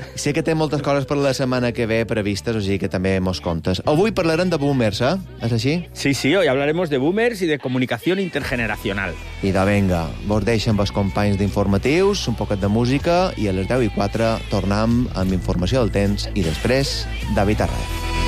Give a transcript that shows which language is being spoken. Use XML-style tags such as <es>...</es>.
<ca>Sé que té moltes coses per la setmana que ve previstes, o sigui que també mos comptes. Avui parlarem de boomers, eh? És així?</ca> <es>Sí, sí, hoy hablaremos de boomers y de comunicación intergeneracional.</es> <ca>Idò, vinga, vos deixem els companys d'informatius, un poquet de música, i a les 10 i 4 tornem amb informació del temps i després David Arraez.</ca>